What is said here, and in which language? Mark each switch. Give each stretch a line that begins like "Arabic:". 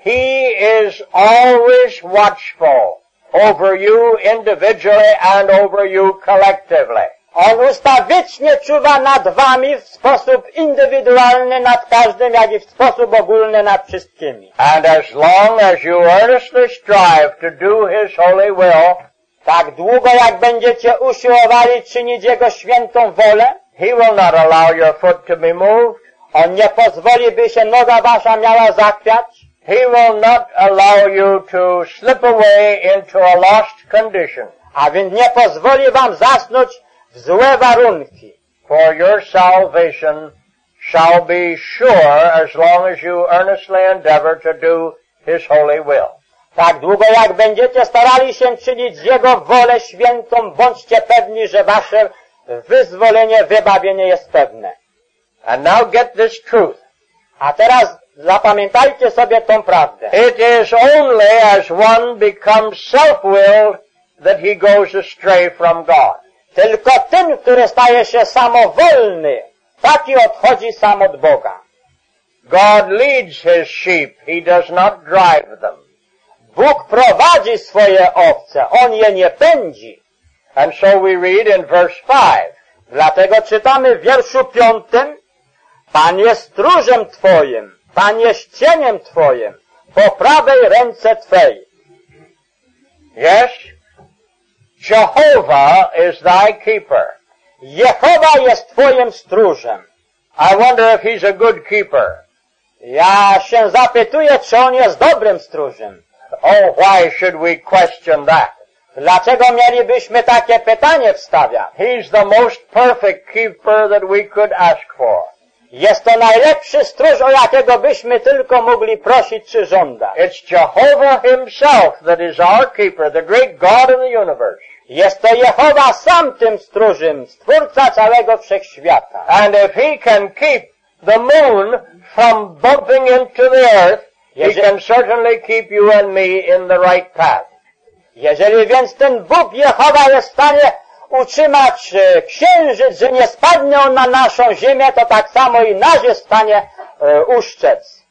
English: He is always watchful over you individually and over you collectively.
Polish: On ustawicznie czuwa nad wami w sposób indywidualny, nad każdym, jak i w sposób ogólny nad wszystkimi.
English: And as long as you earnestly strive to do his holy will,
Polish: tak długo jak będziecie usiłowali czynić jego świętą wolę,
English: he will not allow your foot to be moved.
Polish: On nie pozwoli, by się noga wasza miała zakwiać.
English: He will not allow you to slip away into a lost condition.
Polish: A więc nie pozwoli wam zasnąć w złe warunki.
English: For your salvation shall be sure as long as you earnestly endeavor to do his holy will.
Polish: Tak długo jak będziecie starali się czynić jego wolę świętą, bądźcie pewni, że wasze wyzwolenie, wybawienie jest pewne.
English: And now get this truth.
Polish: A teraz zapamiętajcie sobie tą prawdę.
English: It is only as one becomes self-willed that he goes astray from God.
Polish: Tylko ten, który staje się samowolny, taki odchodzi sam od Boga.
English: God leads his sheep, he does not drive them.
Polish: Bóg prowadzi swoje owce, on je nie pędzi.
English: And so we read in verse 5.
Polish: Dlatego czytamy w wierszu 5. Pan jest stróżem twoim, Pan jest cieniem twoim, po prawej ręce twej.
English: Yes? Jehovah is thy keeper.
Polish: Jehowa jest twoim stróżem.
English: I wonder if he's a good keeper.
Polish: Ja się zapytuję, czy on jest dobrym stróżem.
English: Oh, why should we question that?
Polish: Dlaczego mielibyśmy takie pytanie wstawiać?
English: He's the most perfect keeper that we could ask for.
Polish: Jest to najlepszy stróż, o jakiego byśmy tylko mogli prosić czy żądać.
English: It's Jehovah himself that is our keeper, the great God of the universe.
Polish: Jest to Jehowa sam tym stróżem, stwórca całego wszechświata.
English: And if he can keep the moon from bumping into the earth, he can certainly keep you and me in the right path.
Polish: Jeżeli więc ten Bóg Jehowa jest w stanie utrzymać księżyc, że nie spadnie on na naszą ziemię, to tak samo i nas jest w stanie uszczec.